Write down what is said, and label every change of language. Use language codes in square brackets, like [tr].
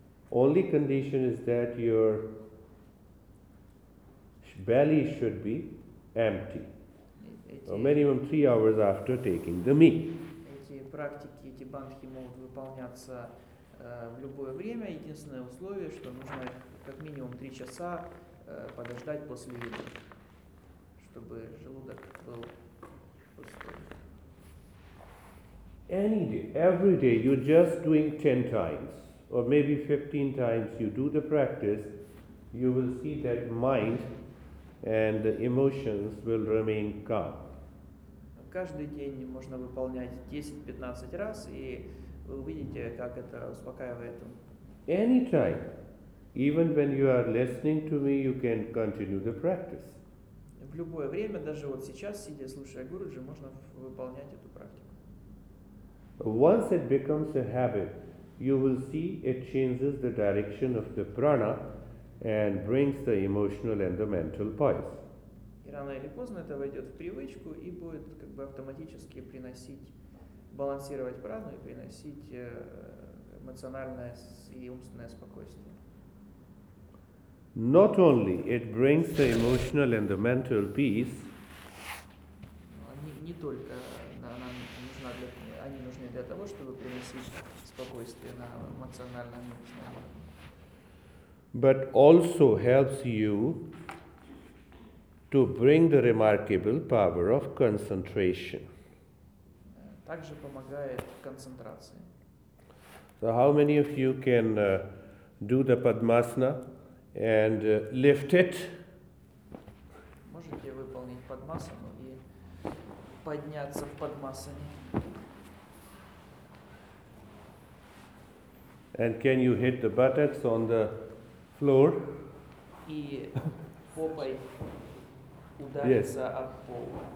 [en] Only condition is that your belly should be empty. Or minimum 3 hours after taking the meal. [ru] Практики эти бандхи могут выполняться в любое время. Единственное условие, что нужно как минимум 3 часа подождать после еды, чтобы желудок был пустой. [en] Any day, every day, you're just doing 10 times, or maybe 15 times, you do the practice, you will see that mind and the emotions will remain calm. [ru] Каждый день можно выполнять 10-15 раз, и вы увидите, как это успокаивает. [en] Anytime, even when you are listening to me, you can continue the practice. [ru] В любое время, даже вот сейчас, сидя, слушая Гуруджи, можно выполнять эту практику. [en] Once it becomes a habit, you will see it changes the direction of the prana and brings the emotional and the mental poise. [ru] И рано или поздно это войдет в привычку и будет как бы автоматически приносить, балансировать прану и приносить эмоциональное и умственное спокойствие. [en] Not only it brings the emotional and the mental peace. [ru] Не только нам нужна для они нужны для того, чтобы приносить спокойствие на эмоциональном уровне. [en] But also helps you to bring the remarkable power of concentration. [ru] Также помогает концентрации. [en] So how many of you can do the Padmasana and lift it? [ru] Можете выполнить Падмасану и подняться в Падмасане. [en] And can you hit the buttocks on the floor? [ru] И попой удариться об пол.